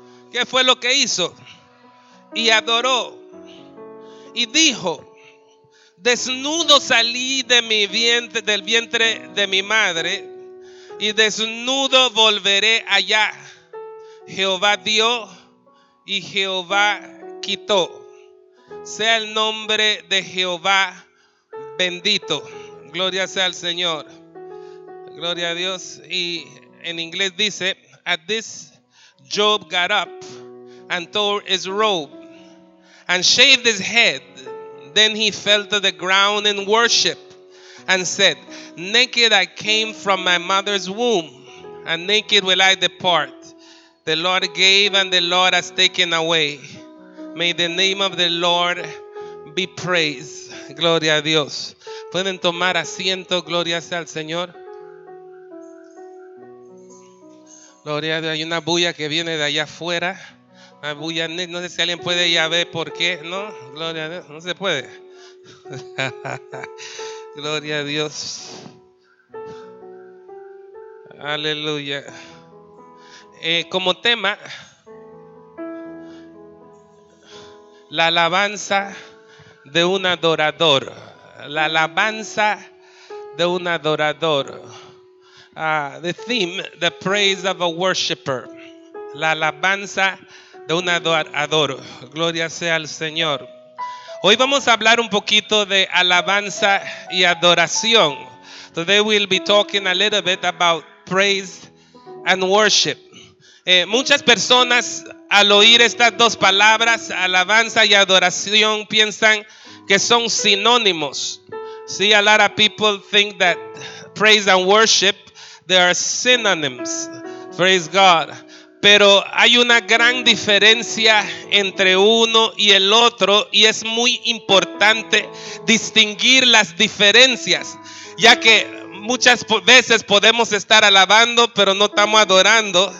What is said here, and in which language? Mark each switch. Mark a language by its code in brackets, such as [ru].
[es] ¿Qué fue lo que hizo? Y adoró. Y dijo: desnudo salí de mi vientre, del vientre de mi madre, y desnudo volveré allá. Jehová dio y Jehová quitó. Sea el nombre de Jehová bendito. Gloria sea al Señor. Gloria a Dios. Y en inglés dice: [en] at this Job got up and tore his robe and shaved his head. Then he fell to the ground in worship and said, naked I came from my mother's womb and naked will I depart. The Lord gave and the Lord has taken away. May the name of the Lord be praised. [es] Gloria a Dios. Pueden tomar asiento, gloria sea al Señor. Gloria a Dios, hay una bulla que viene de allá afuera. Una bulla, no sé si alguien puede ya ver por qué, ¿no? Gloria a Dios, no se puede. Gloria a Dios. Aleluya. Como tema, la alabanza de un adorador. La alabanza de un adorador. [en] The theme, the praise of a worshiper. [es] La alabanza de un adorador. Gloria sea al Señor. Hoy vamos a hablar un poquito de alabanza y adoración. [en] Today we'll be talking a little bit about praise and worship. [es] Muchas personas al oír estas dos palabras, alabanza y adoración, piensan que son sinónimos. [en] See, a lot of people think that praise and worship, they are synonyms. Praise God. [es] Pero hay una gran diferencia entre uno y el otro y es muy importante distinguir las diferencias, ya que muchas veces podemos estar alabando, pero no estamos adorando.